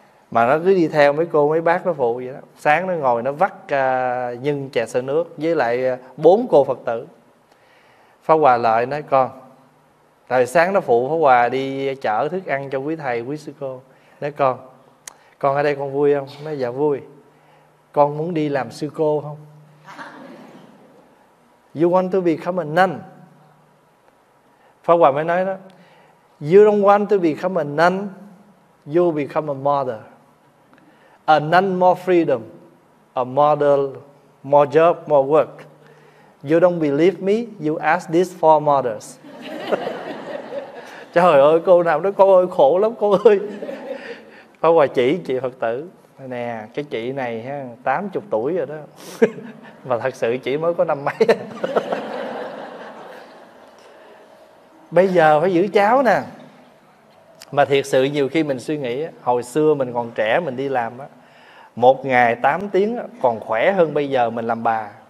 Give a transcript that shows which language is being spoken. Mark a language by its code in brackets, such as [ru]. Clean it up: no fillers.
[vi] Mà nó cứ đi theo mấy cô mấy bác nó phụ vậy đó. Sáng nó ngồi nó vắt nhân chè sữa nước với lại bốn cô Phật tử. Pháp Hòa lại nói: con, tại sáng nó phụ Pháp Hòa đi chở thức ăn cho quý thầy quý sư cô. Nói: con ở đây con vui không? Nói: dạ vui. Con muốn đi làm sư cô không? [en] You want to become a nun? [vi] Pháp Hòa mới nói đó: [en] you don't want to become a nun, you become a mother. A nun more freedom, a mother more job, more work. You don't believe me, you ask this for mothers. [vi] Trời ơi, cô nào nói: cô ơi khổ lắm cô ơi. Pháp Hòa chỉ chị Phật tử: nè, cái chị này 80 tuổi rồi đó. Mà thật sự chị mới có năm mấy. Bây giờ phải giữ cháu nè. Mà thiệt sự nhiều khi mình suy nghĩ, hồi xưa mình còn trẻ mình đi làm, một ngày 8 tiếng còn khỏe hơn bây giờ mình làm bà.